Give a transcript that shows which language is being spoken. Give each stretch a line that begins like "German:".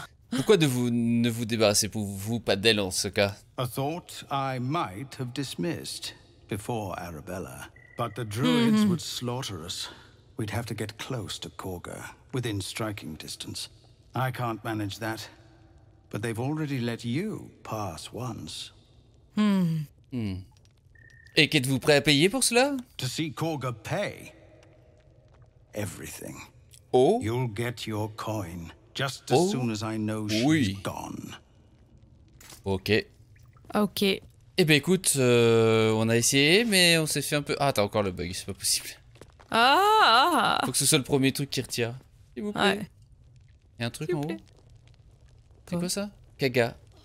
French: Pourquoi ne vous débarrassez-vous pas d'elle en ce cas?
English: A thought I might have dismissed before Arabella, but the druids would slaughter us. We'd have to get close to Korga, within striking distance. I can't manage that, but they've already let you pass once.
French: Et qu'êtes-vous prêt à payer pour cela?
English: To see Korga pay everything. Oh? You'll get your coin. Just as soon as I know she's gone. Ok.
French: Eh ben écoute, on a essayé, mais on s'est fait un peu... Ah, t'as encore le bug, c'est pas possible. Ah. Faut que ce soit le premier truc qui retire. S'il vous plaît. Ouais. Y'a un truc en haut. C'est quoi ça? Kaga.